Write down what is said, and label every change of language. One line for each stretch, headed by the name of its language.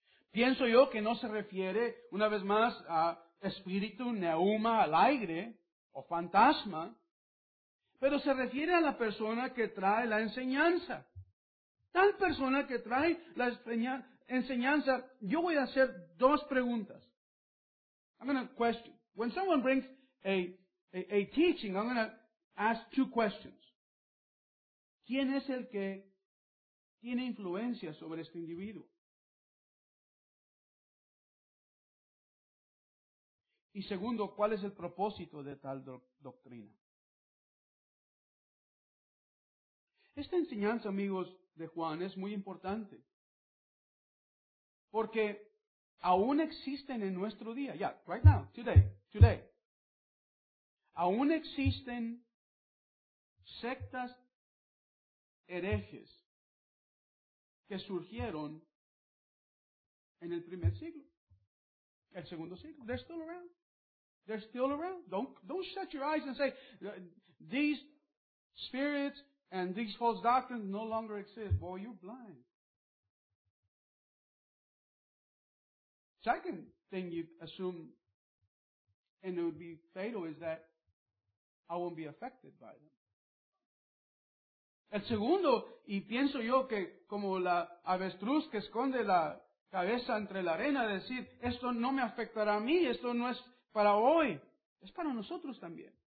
Spanish: Pienso yo que no se refiere, una vez más, a espíritu, neuma, al aire o fantasma, pero se refiere a la persona que trae la enseñanza. Tal persona que trae la enseñanza, yo voy a hacer dos preguntas.
English: I'm going to question. When someone brings a teaching, I'm going to ask two questions.
Spanish: ¿Quién es el que tiene influencia sobre este individuo? Y segundo, ¿cuál es el propósito de tal doctrina? Esta enseñanza, amigos, de Juan es muy importante. Porque aún existen en nuestro día,
English: right now, today,
Spanish: aún existen sectas herejes que surgieron en el primer siglo, el segundo siglo.
English: They're still around. Don't shut your eyes and say, these spirits and these false doctrines no longer exist. Boy, you're blind. Second thing you assume, and it would be fatal, is that I won't be affected by them.
Spanish: El segundo, y pienso yo que como la avestruz que esconde la cabeza entre la arena, decir, esto no me afectará a mí, esto no es para hoy, es para nosotros también.